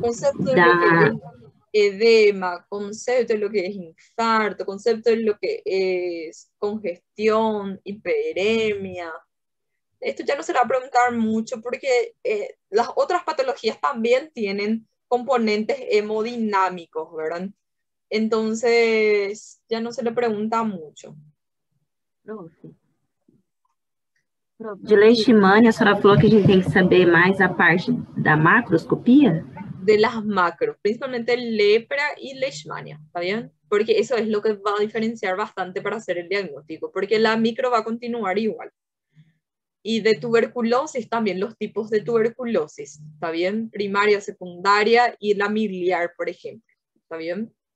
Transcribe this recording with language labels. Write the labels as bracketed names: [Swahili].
[Spanish] concepto de lo que es edema, concepto de lo que es infarto, concepto de lo que es congestión, hiperemia. Esto ya no se va a preguntar mucho porque las otras patologías también tienen componentes hemodinámicos, ¿verdad? Entonces, ya no se le pregunta mucho. Profe. [Portuguese] De leishmania, a senhora falou que a gente tem que saber mais a parte da macroscopia? [Spanish] De las macros, principalmente lepra y leishmania, ¿está bien? Porque eso es lo que va a diferenciar bastante para hacer el diagnóstico, porque la micro va a continuar igual. Y de tuberculosis también, los tipos de tuberculosis, ¿está bien? Primaria, secundaria y la miliar, por ejemplo, ¿está bien?